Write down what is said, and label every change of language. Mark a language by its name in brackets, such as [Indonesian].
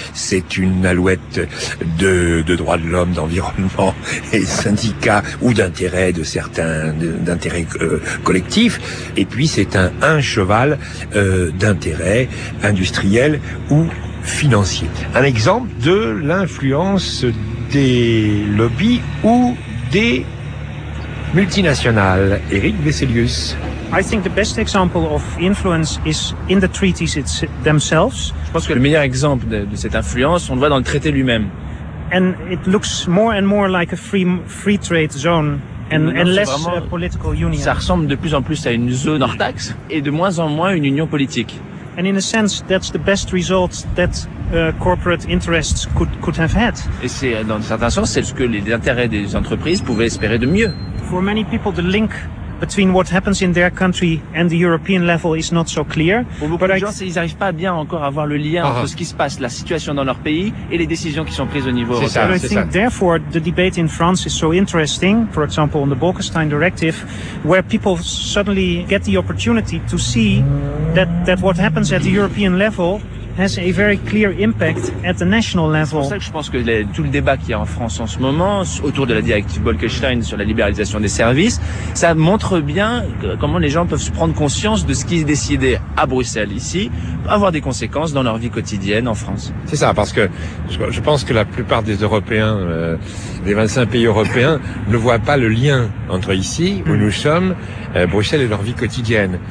[French] C'est une alouette de droits de l'homme, d'environnement et syndicats ou d'intérêts de certains, d'intérêts collectifs. Et puis, c'est un cheval d'intérêt industriel ou financier. Un exemple de l'influence des lobbies ou des multinationales. Éric Vesselius. [English] I think the best example of influence is in the treaties themselves. [French] Je pense que le meilleur exemple de cette influence, on le voit dans le traité lui-même. [English] And it looks more and more like a free trade zone. And less political union. [French] Ça ressemble de plus en plus à une zone hors taxe et de moins en moins une union politique. [English] And in a sense, that's the best result that corporate interests could have had. [French] Et c'est dans certains sens, c'est ce que les intérêts des entreprises pouvaient espérer de mieux. [English] For many people, the link between what happens in their country and the European level is not so clear. [French] Pour beaucoup de gens, ils n'arrivent pas bien encore à voir le lien entre ce qui se passe, la situation dans leur pays et les décisions qui sont prises au niveau européen. [English] I think therefore the debate in France is so interesting, for example on the Bolkestein directive, where people suddenly get the opportunity to see that what happens at the European level has a very clear impact at the national level. [French] C'est pour ça que je pense que tout le débat qu'il y a en France en ce moment autour de la directive Bolkestein sur la libéralisation des services, ça montre bien comment les gens peuvent se prendre conscience de ce qui est décidé à Bruxelles ici, avoir des conséquences dans leur vie quotidienne en France. C'est ça, parce que je pense que la plupart des Européens, des 25 pays européens, ne voient pas le lien entre ici, où nous sommes, Bruxelles et leur vie quotidienne.